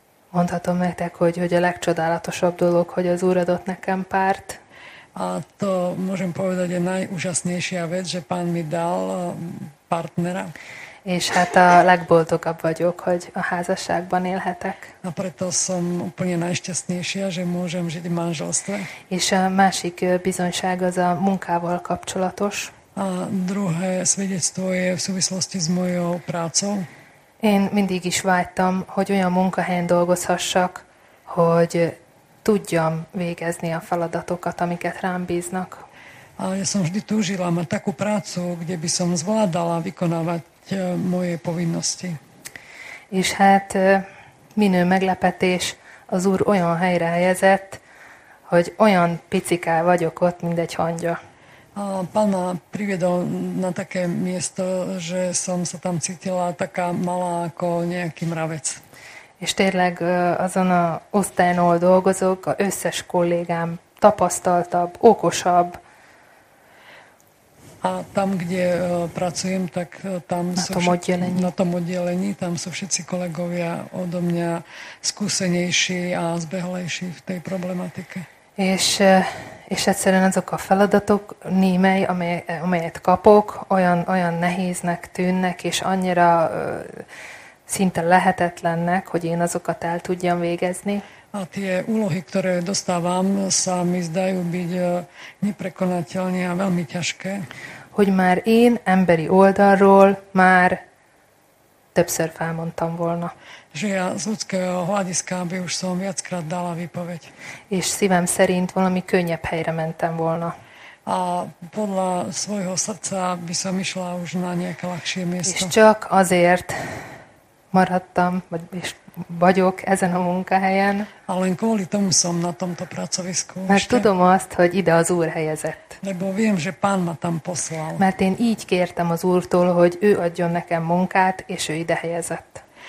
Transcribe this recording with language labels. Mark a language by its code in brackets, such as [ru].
[hu] Mondhatom nektek, hogy a legcsodálatosabb dolog, hogy az Úr adott nekem párt. [sk] A to môžem povedať, je najúžasnejšia vec, že Pán mi dal partnera. [hu] És hát a legboldogabb vagyok, hogy a házasságban élhetek. [sk] A preto som úplne najšťastnejšia, že môžem žiť v manželstve. [hu] És a másik bizonyság az a munkával kapcsolatos. [sk] A druhé svedectvo je v súvislosti s mojou prácou. [hu] Én mindig is vágytam, hogy olyan munkahelyen dolgozhassak, hogy tudjam végezni a feladatokat, amiket rám bíznak. [sk] A ja som vždy túžila mať takú prácu, kde by som zvládala vykonávať moje povinnosti. [hu] És hát minő meglepetés, az Úr olyan helyre helyezett, hogy olyan piciká vagyok ott, mint egy hangya. [sk] A Pána priviedol na také miesto, že som sa tam cítila taká malá ako nejaký mravec. [hu] És tényleg azon a osztályon, ahol dolgozok, az összes kollégám tapasztaltabb, okosabb. [sk] A tam, kde pracujem, tak tam na tom oddelení. Na tom oddelení, tam sú všetci kolegovia odo mňa skúsenejší a zbehlejší v tej problematike. [hu] És egyszerűen azok a feladatok, némely, amelyet kapok, olyan nehéznek tűnnek, és annyira szinte lehetetlennek, hogy én azokat el tudjam végezni. [sk] A tie úlohy, ktoré dostávam, sa mi zdajú byť neprekonateľné a veľmi ťažké. [hu] Hogy már én emberi oldalról már többször felmondtam volna. [sk] Že ja z ľudského hľadiska by už som viackrát dala výpoveď. [hu] És szívem szerint valami könnyebb helyre mentem volna. [sk] A podľa svojho srdca by som išla už na nejaké ľahšie miesto. [hu] És csak azért maradtam, vagyok ezen a munkahelyen. [sk] A len kvôli tomu som na tomto pracovisku. [hu] Mert ešte tudom azt, hogy ide az Úr helyezett. [sk] Lebo viem, že Pán ma tam poslal. [hu] Mert én így kértem az Úrtól, hogy ő adjon nekem munkát, és ő ide helyezett.